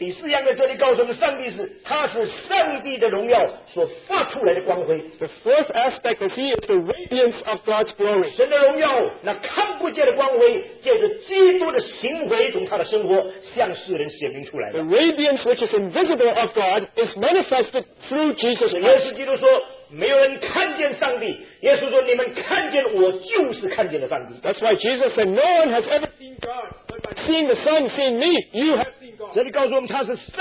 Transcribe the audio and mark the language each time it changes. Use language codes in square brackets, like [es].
[en] Fourth aspect is he is the radiance of God's glory. [zh] 神的荣耀, 那看不见的光辉, [en] the radiance which is invisible of God is manifested through Jesus Christ. [zh] 耶稣基督说, 没有人看见上帝, 耶稣说, 你们看见我就是看见了上帝。 [en] That's why Jesus said, no one has ever seen God, but by seeing the Son, seeing me, you have seen God.